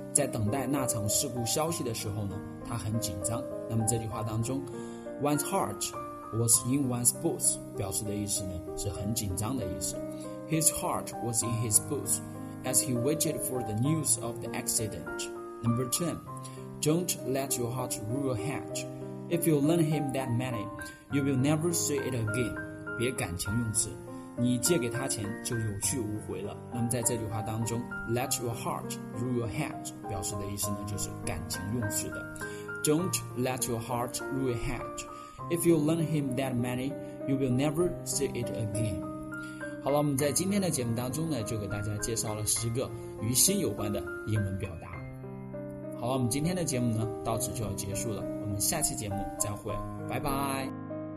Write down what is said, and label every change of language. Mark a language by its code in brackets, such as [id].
[zh] 在等待那场事故消息的时候呢，他很紧张。那么这句话当中 [en] ，one's heart was in one's boots [zh] 表示的意思呢，是很紧张的意思。 [en] His heart was in his boots as he waited for the news of the accident。 Number 10。 Don't let your heart rule your head. If you lend him that money, you will never see it again. [zh] 别感情用事，你借给他钱就有去无回了。那么在这句话当中， [en] let your heart rule your head [zh] 表示的意思呢，就是感情用事的。 [en] Don't let your heart rule your head. If you lend him that money, you will never see it again. [zh] 好了，我们在今天的节目当中呢，就给大家介绍了10个与心有关的英文表达。好了，我们今天的节目呢，到此就要结束了。我们下期节目再会，拜拜。